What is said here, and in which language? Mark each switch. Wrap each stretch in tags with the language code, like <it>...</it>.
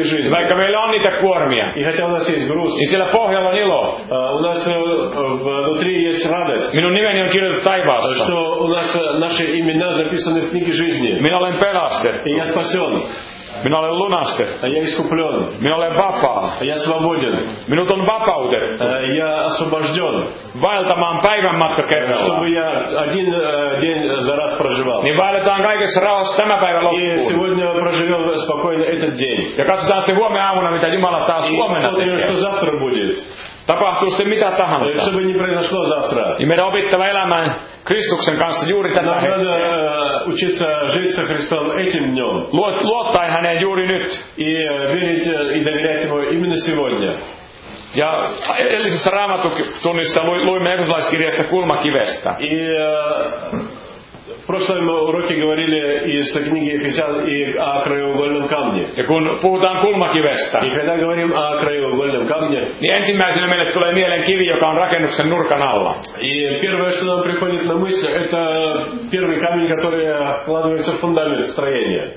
<fi>Vaikka meillä on niitä kuormia.</fi> <ru>И хотя у нас есть груз.</ru> <fi>И siellä pohjalla on ilo.</fi> <ru>У нас внутри есть радость.</ru> <fi>Minun nimeni on kirjoitettu taivaasta.</fi> <ru>Что у нас наши имена записаны в книге жизни.</ru> <fi>Minä olen pelastettu.</fi> <ru>И я спасен.</ru> <fi>Minä olen lunastettu.</fi> <ru>Я искуплен.</ru> <fi>Minä olen vapaa.</fi> <ru>Я свободен.</ru> <fi>Minut on vapautettu.</fi> <ru>Я освобожден.</ru> <fi>Vaeltamaan päivän matka kerralla.</fi> <ru>Чтобы я один день за раз проживал.</ru> <fi>Niin vaeletaan kaikessa rauhassa tämä päivä loppuun.</fi> <ru>И сегодня проживем спокойно этот день.</ru> <fi>Ja katsotaan se huomenna aamuna, mitä Jumala taas huomenna tekee.</fi> <ru>И смотрим, что завтра будет.</ru> <fi>Tapahtuu sitten mitä tahansa.</fi> <ru>И чтобы не произошло завтра.</ru> <fi>И meidän opittava elämään Kristuksen kanssa juuri tätä hetkeä.</fi> <ru>Надо учиться жить со Христом этим днем.</ru> <fi>Luottaen häneen juuri nyt.</fi> <ru>И верить и доверять ему именно сегодня.</ru> <fi>Ja edellisessä raamatutunnissa luimme Efesolaiskirjasta kulmakivestä.</fi> <ru>И в прошлом уроке говорили из книги Ефесян и о краеугольном камне.</ru> <fi>Ja kun puhutaan kulmakivestä.</fi> <ru>И когда говорим о краеугольном камне,</ru> <fi>niin ensimmäisenä meille tulee mieleen kivi, joka on rakennuksen nurkan alla.</fi> <ru>И первое, что нам приходит на мысль, это первый камень, который вкладывается в фундамент строения.</ru>